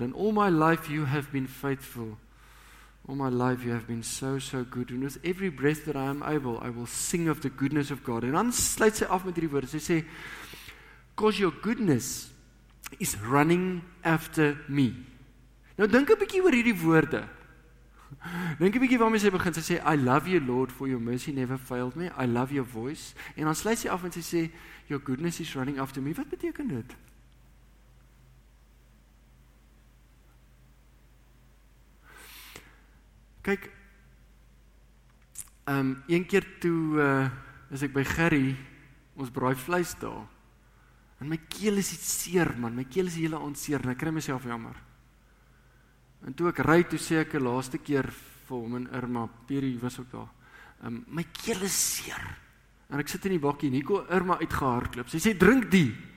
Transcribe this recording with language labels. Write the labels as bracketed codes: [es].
[en] And all my life you have been faithful. All my life you have been so, so good. And with every breath that I am able, I will sing of the goodness of God. [af] En dan sluit sy af met drie woorde. Sy sê, [en] cause your goodness is running after me. [af] Nou, dink 'n bietjie oor hierdie woorde. Dink 'n bietjie waarmee sy begin. Sy sê, [en] I love you, Lord, for your mercy never failed me. I love your voice. [af] En dan sluit sy af en sy sê, [en] your goodness is running after me. [af] Wat beteken dit? Kyk, een keer toe is ek by Gerrie, ons braai vleis daar. En my keel is iets seer, man. My keel is die hele aand seer. En ek kry myself jammer. En toe ek ry, toe sê ek die laaste keer vir hom en Irma, Perry was ook daar, my keel is seer. En ek sit in die bakkie en Nico Irma uitgehardloop. Sy sê, drink die.